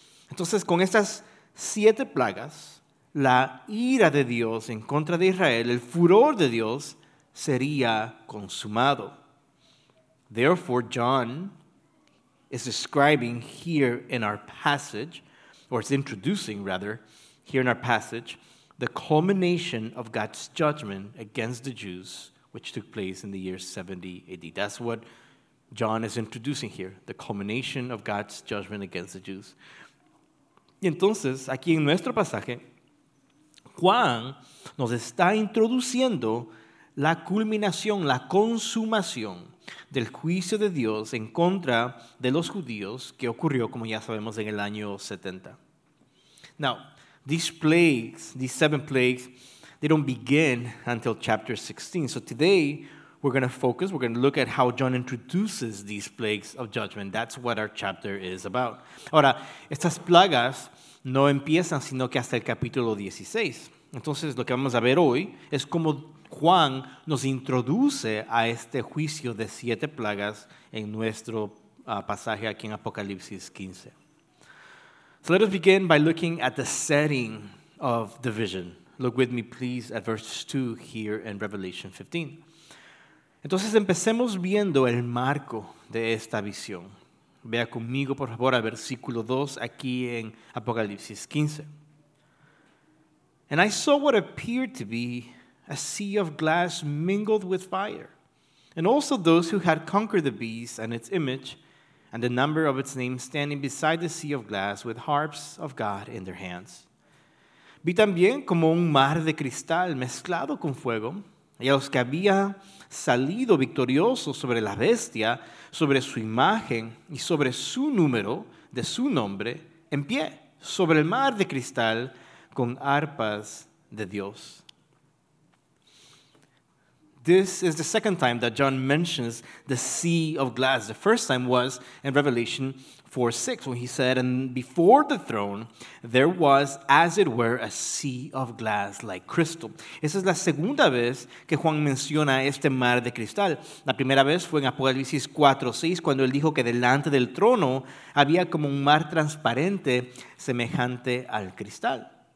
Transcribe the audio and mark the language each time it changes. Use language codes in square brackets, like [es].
[es] Entonces, con estas 7 plagas, la ira de Dios en contra de Israel, el furor de Dios, sería consumado. [en] Therefore, John is describing here in our passage, or is introducing, rather, here in our passage, the culmination of God's judgment against the Jews, which took place in the year 70 AD. That's what John is introducing here, the culmination of God's judgment against the Jews. [es] Y entonces, aquí en nuestro pasaje, Juan nos está introduciendo la culminación, la consumación del juicio de Dios en contra de los judíos que ocurrió, como ya sabemos, en el año 70. [en] Now, these 7 plagues, they don't begin until chapter 16. So today, we're going to look at how John introduces these plagues of judgment. That's what our chapter is about. [es] Ahora, estas plagas no empiezan sino que hasta el capítulo 16. Entonces, lo que vamos a ver hoy es cómo Juan nos introduce a este juicio de 7 plagas en nuestro pasaje aquí en Apocalipsis 15. [en] So let us begin by looking at the setting of the vision. Look with me, please, at verse 2 here in Revelation 15. [es] Entonces, empecemos viendo el marco de esta visión. Vea conmigo, por favor, al versículo 2 aquí en Apocalipsis 15. [en] And I saw what appeared to be a sea of glass mingled with fire, and also those who had conquered the beast and its image, and the number of its name standing beside the sea of glass with harps of God in their hands. [es] Vi también como un mar de cristal mezclado con fuego, y a los que había salido victorioso sobre la bestia, sobre su imagen y sobre su número de su nombre, en pie, sobre el mar de cristal, con arpas de Dios. [en] This is the second time that John mentions the sea of glass. The first time was in Revelation 4:6, when he said, and before the throne, there was, as it were, a sea of glass like crystal. [es] Esa es la segunda vez que Juan menciona este mar de cristal. La primera vez fue en Apocalipsis 4:6, cuando él dijo que delante del trono había como un mar transparente semejante al cristal.